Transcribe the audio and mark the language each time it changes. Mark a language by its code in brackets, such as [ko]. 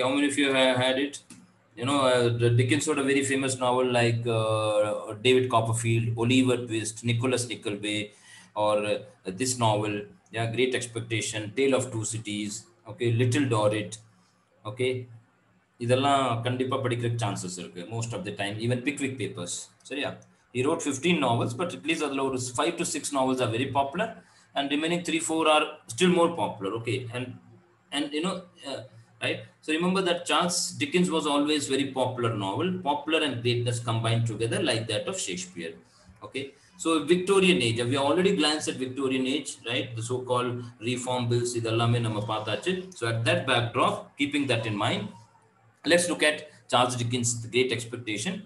[en] How many of you have had it? You know, Dickens wrote a very famous novel like David Copperfield, Oliver Twist, Nicholas Nickleby, or this novel, yeah, Great Expectation, Tale of Two Cities, okay, Little Dorrit, okay. [ta] இதெல்லாம் கண்டிப்பா படிக்கிற chances இருக்கு [en] Most of the time even Pickwick Papers சரியா he wrote 15 novels but at least அதில் ஒரு 5 to 6 novels are very popular and remaining 3-4 are still more popular okay and you know Right? So remember that Charles Dickens was always very popular novel, popular and greatness combined together like that of Shakespeare. Okay. So Victorian age, we already glanced at Victorian age, right? The so-called reform bills, [ta] idellame nama paathaachu. [en] So at that backdrop, keeping that in mind, let's look at Charles Dickens, The Great Expectation.